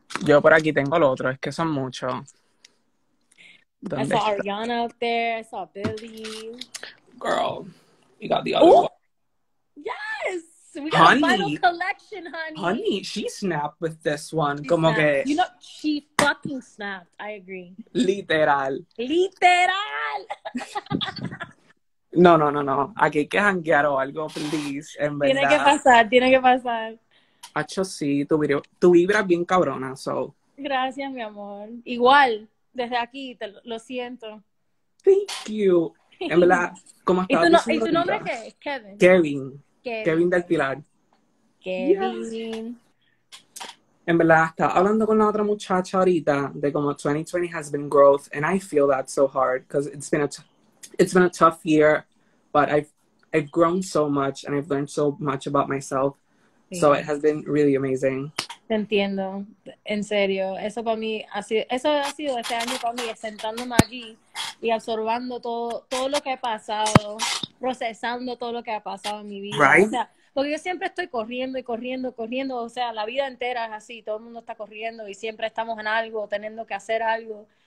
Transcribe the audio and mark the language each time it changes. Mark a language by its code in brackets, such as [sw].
[es] Yo por aquí tengo lo otro, es que son muchos. [en] I saw Ariana up there, I saw Billy. Girl, you got the other Ooh. One. Yes! We got honey. A vinyl collection, honey. Honey, she snapped with this one. She [es] Como que... [en] You know, she fucking snapped, I agree. [es] Literal. No. Aquí hay que janguear o algo, [en] please, [es] en verdad. Tiene que pasar. Hacho, sí, tu vibra es bien cabrona, [en] so. [es] Gracias, mi amor. Igual. Desde aquí, te lo siento. [en] Thank you. [es] En verdad, ¿cómo estás? ¿Y tu nombre qué es? Kevin. Kevin del Pilar. Kevin. Yes. En verdad, estaba hablando con la otra muchacha ahorita de cómo 2020 has been growth, and I feel that so hard, because it's been a tough year, but I've grown so much, and I've learned so much about myself, sí. So it has been really amazing. Te entiendo, en serio. Eso para mí ha sido este año para mí, sentándome aquí y absorbando todo lo que ha pasado, procesando todo lo que ha pasado en mi vida. [en] Right? [es] O sea, porque yo siempre estoy corriendo y corriendo, corriendo. O sea, la vida entera es así. Todo el mundo está corriendo y siempre estamos en algo, teniendo que hacer algo.